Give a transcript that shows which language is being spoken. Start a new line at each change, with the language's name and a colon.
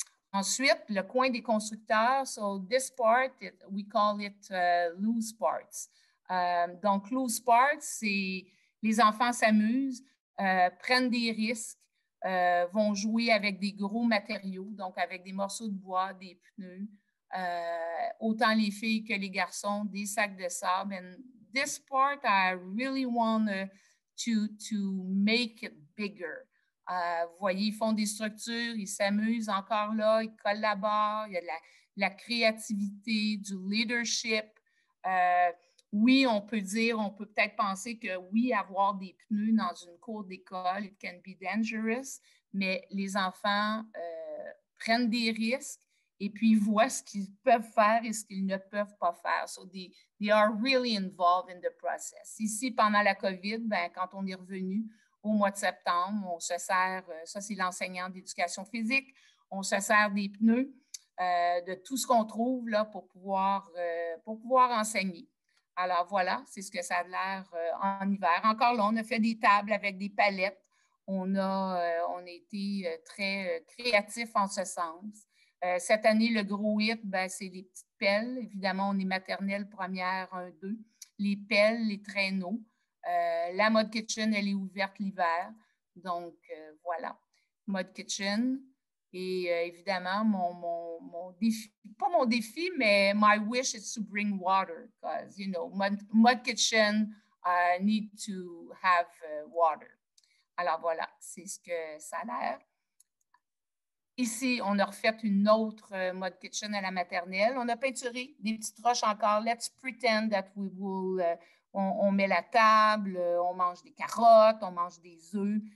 French: Ensuite, le coin des constructeurs,
English: so this part, we call it loose parts.
French: Donc, loose parts, c'est les enfants s'amusent, prennent des risques, vont jouer avec des gros matériaux, donc avec des morceaux de bois, des pneus, autant les filles que les garçons, des sacs de sable.
English: And this part, I really want to make it bigger.
French: Vous voyez, ils font des structures, ils s'amusent encore là, ils collaborent, il y a la créativité, du leadership. Oui, on peut dire, on peut peut-être penser que oui, avoir des pneus dans une cour d'école,
English: it can be dangerous,
French: mais les enfants prennent des risques et puis voient ce qu'ils peuvent faire et ce qu'ils ne peuvent pas faire.
English: So they are really involved in the process.
French: Ici, pendant la COVID, ben, quand on est revenu, au mois de septembre, on se sert, ça c'est l'enseignant d'éducation physique, on se sert des pneus, de tout ce qu'on trouve là, pour pouvoir enseigner. Alors voilà, c'est ce que ça a l'air en hiver. Encore là, on a fait des tables avec des palettes, on a été très créatifs en ce sens. Cette année, le gros hit, ben, c'est les petites pelles. Évidemment, on est maternelle première 1-2, les pelles, les traîneaux. La mode kitchen, elle est ouverte l'hiver. Donc, voilà, mode kitchen. Et évidemment, mon défi, pas mon défi, mais
English: my wish is to bring water. Because, you know, mode kitchen, I need to have water.
French: Alors, voilà, c'est ce que ça a l'air. Ici, on a refait une autre mode kitchen à la maternelle. On a peinturé des petites roches encore.
English: Let's pretend that we will...
French: On met la table, on mange des carottes, on mange des œufs.